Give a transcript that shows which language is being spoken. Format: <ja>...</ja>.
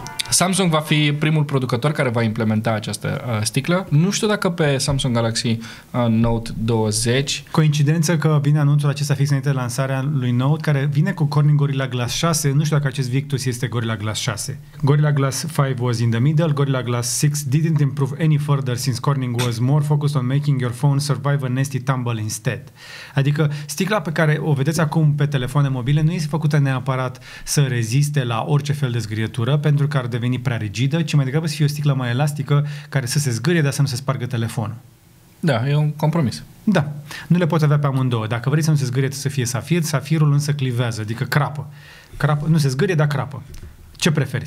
<ro>Samsung va fi primul producător care va implementa această sticlă. Nu știu dacă pe Samsung Galaxy Note 20... Coincidență că vine anunțul acesta fix înainte de lansarea lui Note, care vine cu Corning Gorilla Glass 6. Nu știu dacă acest Victus este Gorilla Glass 6.</ro> <en>Gorilla Glass 5 was in the middle. Gorilla Glass 6 didn't improve any further since Corning was more focused on making your phone survive a nasty tumble instead.</en> <ro>Adică sticla pe care o vedeți acum pe telefoane mobile nu este făcută neapărat să reziste la orice fel de zgârietură, pentru că deveni prea rigidă, ci mai degrabă să fie o sticlă mai elastică care să se zgârie, dar să nu se spargă telefonul. Da, e un compromis. Da. Nu le poți avea pe amândouă. Dacă vrei să nu se zgârie, să fie safir, safirul însă clivează, adică crapă. Crapă. Nu se zgârie, dar crapă. Ce preferi?</ro>